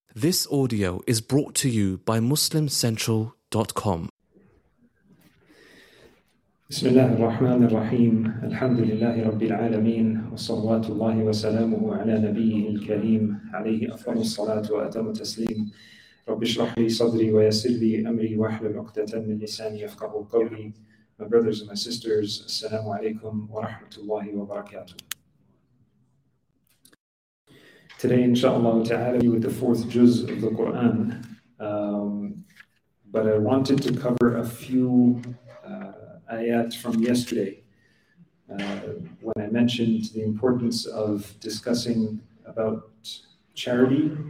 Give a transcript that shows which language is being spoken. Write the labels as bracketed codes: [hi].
[en] This audio is brought to you by MuslimCentral.com. [ar] بسم الله الرحمن الرحيم الحمد لله رب العالمين والصلوات الله وسلامه على نبيه الكريم عليه أفضل الصلاة وأتم التسليم رب اشرح لي صدري ويسر لي أمري واحلل عقدة من لساني يفقهوا قولي. My brothers and my sisters, السلام عليكم ورحمة الله وبركاته. [en] Today, inshallah ta'ala, with the fourth juz of the Quran, but I wanted to cover a few ayat from yesterday when I mentioned the importance of discussing about charity.